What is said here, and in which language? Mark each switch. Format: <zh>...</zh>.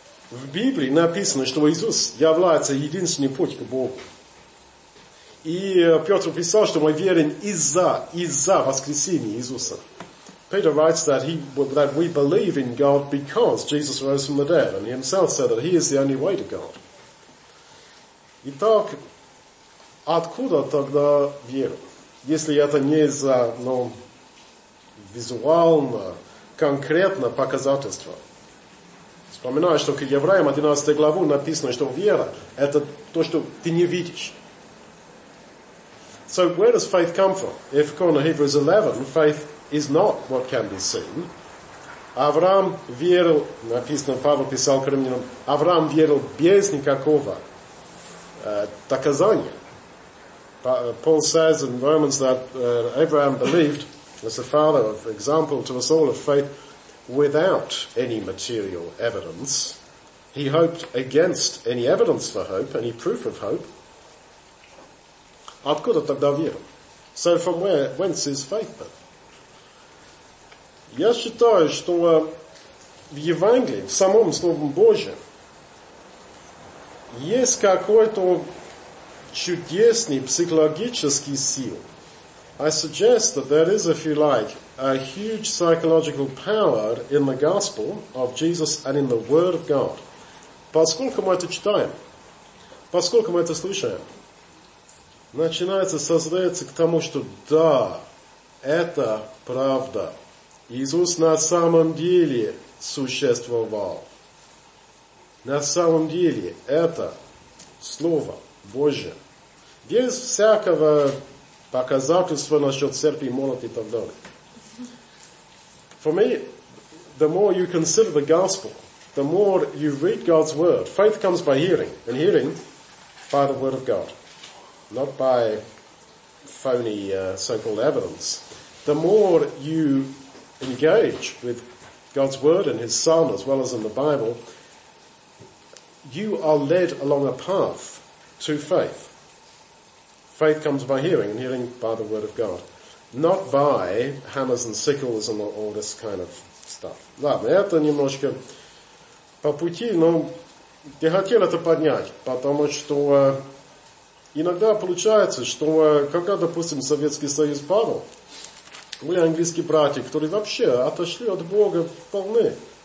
<ru>В Библии написано, что Иисус является единственным путем к Богу. И Петр писал, что мы верим из-за воскресения Иисуса.</ru> <en>Peter writes that we believe in God because Jesus rose from the dead, and he himself said that he is the only way to God.</en> <ru>Итак, откуда тогда вера? Если это не из-за, ну, визуально, конкретно показательства. Вспоминаю, что к Евреям 11 главу написано, что вера – это то, что ты не видишь.</ru> <en>So where does faith come from? If according to Hebrews 11, faith is not what can be seen.</en> <ru>Авраам верил, написано, Павел писал к римлянам, Авраам верил без никакого доказания.</ru> <en>Paul says in Romans that Abraham believed as a father of example to us all of faith without any material evidence. He hoped against any evidence for hope, any proof of hope.</en> <ru>Откуда тогда вера?</ru> <en>So from whence is faith then?</en> <ru>Я считаю, что в Евангелии, в самом Слове Божьем, есть какой-то чудесный психологический сил.</ru> <en>I suggest that there is, if you like, a huge psychological power in the gospel of Jesus and in the word of God.</en> <ru>Поскольку мы это читаем, поскольку мы это слышим, начинается создаться к тому, что да, это правда. Иисус на самом деле существовал. На самом деле это Слово Божие. Без всякого показательства насчет серпи, молот и так далее.</ru> <en>For me, the more you consider the gospel, the more you read God's word. Faith comes by hearing, and hearing by the word of God. Not by phony so-called evidence. The more you engage with God's word and his son, as well as in the Bible, you are led along a path to faith. Faith comes by hearing, and hearing by the word of God. Not by hammers and sickles and all this kind of stuff.</en> <ru>Ладно, это немножко по пути, но я хотел это поднять, потому что иногда получается, что когда, допустим, Советский Союз падал, были английские братья, которые вообще отошли от Бога вполне.</ru>